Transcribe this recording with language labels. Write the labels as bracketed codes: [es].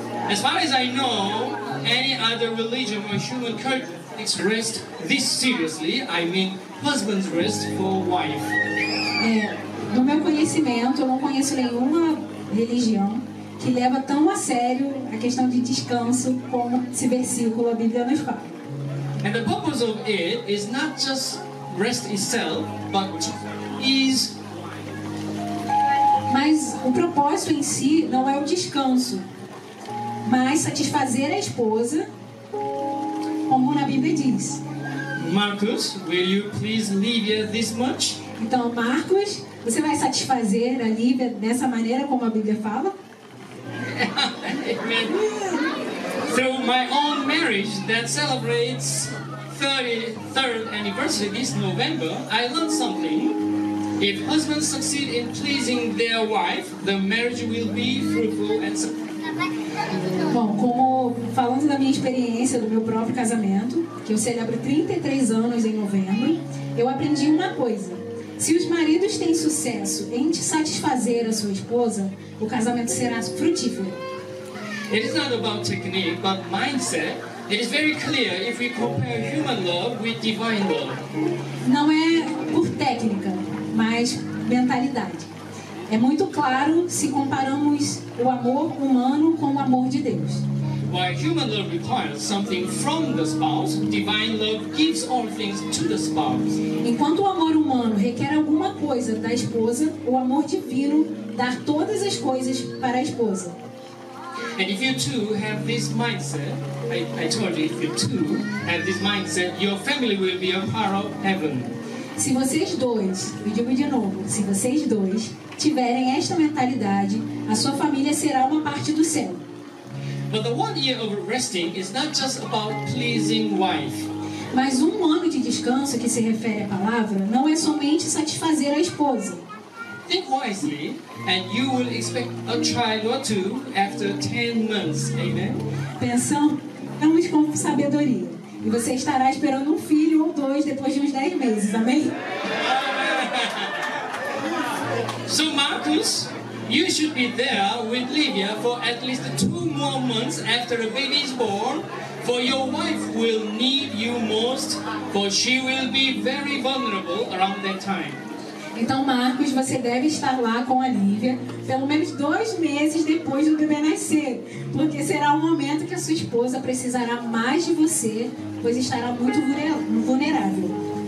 [en] As far as I know, any other religion or human culture takes rest this seriously. I mean, husband's rest for wife. [pt] No meu conhecimento, eu não conheço nenhuma religião que leva tão a sério a questão de descanso como esse versículo, a Bíblia nos fala. [en] And the purpose of it is not just rest itself, but is... [pt] Mas o propósito em si não é o descanso, mas satisfazer a esposa, como na Bíblia diz. [en] Marcus, will you please leave her this much? [pt] Então, Marcos, você vai satisfazer a Lívia dessa maneira como a Bíblia fala? [en] Amen. So my own marriage that celebrates 33rd anniversary this November, I learned something. If husbands succeed in pleasing their wife, the marriage will be fruitful and successful. [pt] Bom, como falando da minha experiência do meu próprio casamento, que eu celebro 33 anos em novembro, eu aprendi uma coisa. Se os maridos têm sucesso em te satisfazer a sua esposa, o casamento será frutífero. [en] It is not about technique, but mindset. It is very clear if we compare human love with divine love. [pt] Não é por técnica, mas mentalidade. É muito claro se comparamos o amor humano com o amor de Deus. [en] While human love requires something from the spouse, divine love gives all things to the spouse. [pt] Enquanto o amor humano requer alguma coisa da esposa, o amor divino dá todas as coisas para a esposa. [en] And if you too have this mindset, I told you, if you too have this mindset, your family will be a part of heaven. [pt] Se vocês dois, eu digo de novo, se vocês dois tiverem esta mentalidade, a sua família será uma parte do céu. [en] But the 1 year of resting is not just about pleasing wife. [pt] Mas ano de descanso que se refere à palavra não é somente satisfazer a esposa. [en] Think wisely, and you will expect a child or two after 10 months. Amen. [pt] Pensando, vamos com sabedoria, e você estará esperando um filho ou dois depois de uns 10 meses. Amém. [en] So Marcus, you should be there with Lydia for at least 2 more months after the baby is born, for your wife will need you most, for she will be very vulnerable around that time. [pt] Então, Marcos, você deve estar lá com a Lívia pelo menos 2 meses depois do bebê nascer, porque será o momento que a sua esposa precisará mais de você, pois estará muito vulnerável.